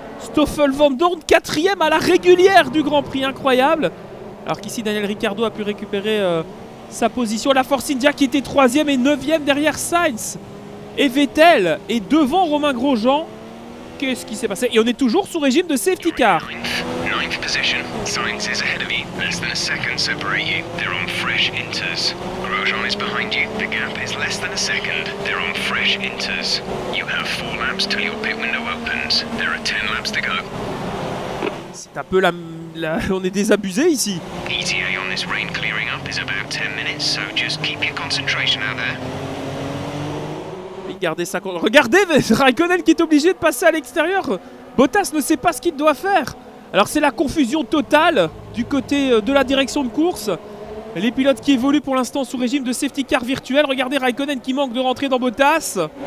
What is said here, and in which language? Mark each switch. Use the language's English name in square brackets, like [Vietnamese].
[French] Stoffel Vandoorne, quatrième à la régulière du Grand Prix. Incroyable. Alors qu'ici, Daniel Ricciardo a pu récupérer... sa position. La Force India qui était 3ème et 9ème derrière Sainz. Et Vettel est devant Romain Grosjean. Qu'est-ce qui s'est passé? Et on est toujours sous régime de safety car. [English] 9th position. Sainz is ahead of you. Less than a second separate you. They're on fresh inters. Grosjean is behind you. The gap is less than a second. They're on fresh inters. You have 4 laps till your pit window opens. There are 10 laps to go. [French] C'est un peu la... On est désabusé ici. [English] ETA on this rain clearing up is about 10 minutes, so just keep your concentration out there. [French] Gardez ça. Regardez, Raikkonen qui est obligé de passer à l'extérieur. Bottas ne sait pas ce qu'il doit faire. Alors c'est la confusion totale du côté de la direction de course. Les pilotes qui évoluent pour l'instant sous régime de safety car virtuel. Regardez Raikkonen qui manque de rentrer dans Bottas.